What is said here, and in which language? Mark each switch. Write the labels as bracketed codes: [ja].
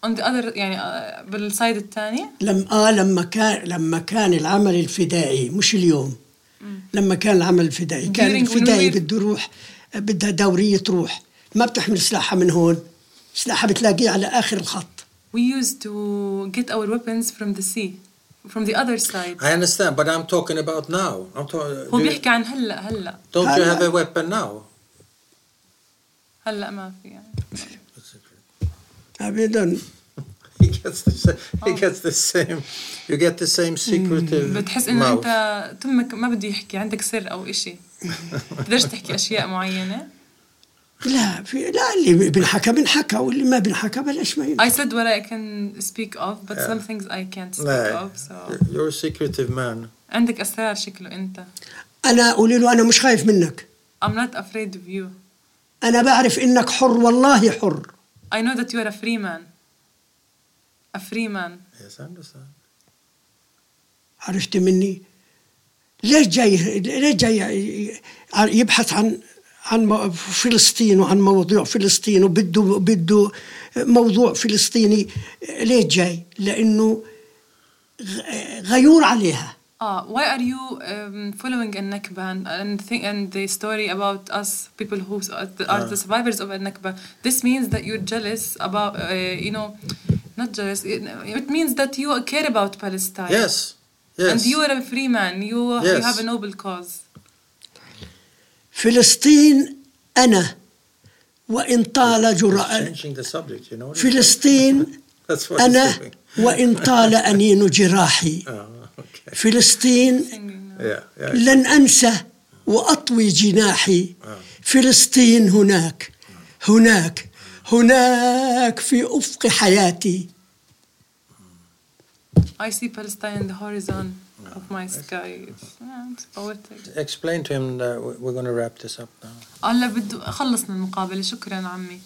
[en] On the other [ar] يعني بالسايد الثاني؟ لما كان العمل الفدائي، مش اليوم. لما كان العمل الفدائي، كان الفدائي بده يروح، بدها دورية تروح، ما بتحمل سلاحها من هون، سلاحها بتلاقيه على آخر الخط. [en] We used to get our weapons from the sea. From the other side. I understand, but I'm talking about now. I'm talking. [ar] هو بيحكي عن هلأ. [en] Don't you have a weapon now? [ar] هلأ ما في. [en] Have you done? He gets the same. You get the same secretive mouth. [ar] بتحس إن أنت تمك ما بدي يحكي عندك سر أو إشي. تقدرش تحكي أشياء معينة. لا في لا اللي بنحكى بنحكى واللي ما بنحكى بلاش ما ينحكى. [en] I said what I can speak of but yeah. Some things I can't speak of so. You're a secretive man. [ar] عندك أسرار شكله أنت. أنا أقول له أنا مش خايف منك. [en] I'm not afraid of you. [ar] أنا بعرف إنك حر والله حر. [en] I know that you are a free man. A free man. Yes, I understand. [ar] عرفت مني ليش جاي يبحث عن فلسطين وعن موضوع فلسطين وبده موضوع فلسطيني ليه جاي؟ لأنه غيور عليها. [en] Why are you following a Nakba and the story about us people who are the survivors of a Nakba? This means that you're jealous about not jealous. It means that you care about Palestine. Yes. And you are a free man. You have a noble cause. [ar] فلسطين أنا وإن طال جراء فلسطين أنا وإن طال أنين جراحي فلسطين لن أنسى وأطوي جناحي فلسطين هناك هناك هناك في أفق حياتي. [en] I see Palestine in the horizon. Of my sky. It's poetic. Explain to him that we're going to wrap this up now. [ar] Allah بدو خلصنا المقابلة شكراً عمي.